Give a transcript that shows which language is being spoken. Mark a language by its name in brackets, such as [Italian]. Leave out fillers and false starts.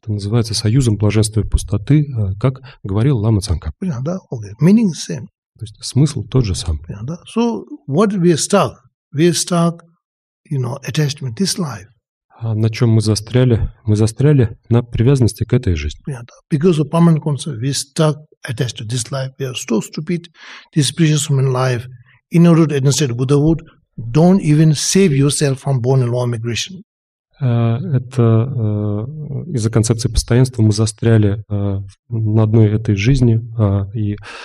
[Russian] Это называется союзом блаженства и пустоты, как говорил Лама Цанка. Понятно. [English] Okay. Meaning same. [Russian] То есть смысл тот же сам. Понятно. [English] So what we are stuck? We are stuck, attachment this life. [Russian] А на чем мы застряли? Мы застряли на привязанности к этой жизни. Понятно. [English] Because of permanent concept, we are stuck attached to this life. We are so stupid. This precious human life, in order to understand Buddhahood. Don't even save yourself from born and law migration. [Russian] Это из-за концепции постоянства мы застряли на одной этой жизни и.